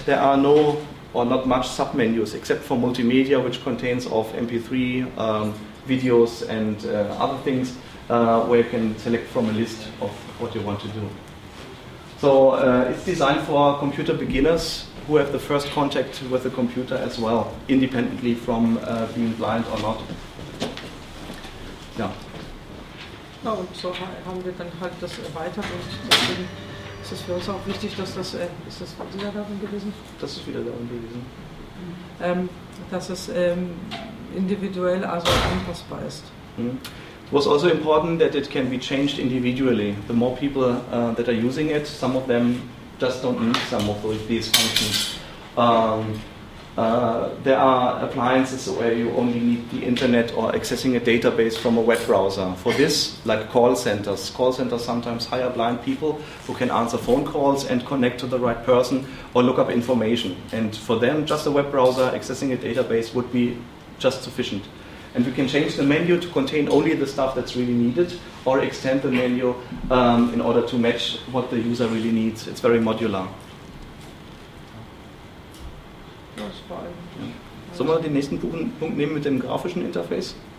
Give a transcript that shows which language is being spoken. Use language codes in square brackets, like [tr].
[en] There are no or not much sub-menus, except for multimedia, which contains of MP3, videos, and other things, where you can select from a list of what you want to do. So it's designed for computer beginners who have the first contact with the computer as well, independently from being blind or not. [de] Ja, und so haben wir dann halt das erweitert, und deswegen ist es für uns auch wichtig, dass das, ist das wieder darin gewesen? Das ist wieder darin gewesen. Dass es individuell also anpassbar ist. [en] It was also important that it can be changed individually. The more people that are using it, some of them just don't need some of these functions. There are appliances where you only need the internet or accessing a database from a web browser. For this, like call centers. Call centers sometimes hire blind people who can answer phone calls and connect to the right person or look up information. And for them, just a web browser accessing a database would be just sufficient. And we can change the menu to contain only the stuff that's really needed, or extend the menu in order to match what the user really needs. It's very modular. Ja. [de] Sollen wir den nächsten Punkt nehmen mit dem grafischen Interface?